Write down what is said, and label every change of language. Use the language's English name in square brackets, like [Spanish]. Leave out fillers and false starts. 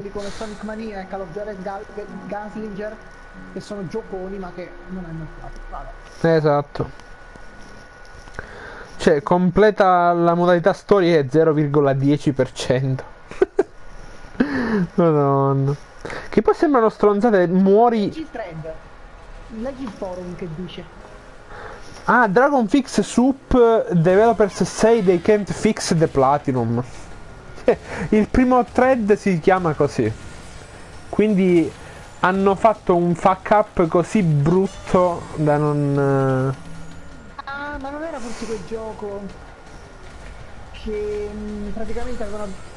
[Italian] Dicono Sonic Mania e Call of Duty Gunslinger, che sono gioconi ma che non hanno fatto. Esatto. Cioè, completa la modalità storia è 0,10%. Madonna. Che poi sembrano stronzate, muori. Leggi il forum che dice. [English] Ah, Dragon Fix Soup Developers say they can't fix the platinum. [Italian] Il primo thread si chiama così. Quindi hanno fatto un fuck up così brutto da non. Ah, ma non era forse quel gioco che praticamente avevano.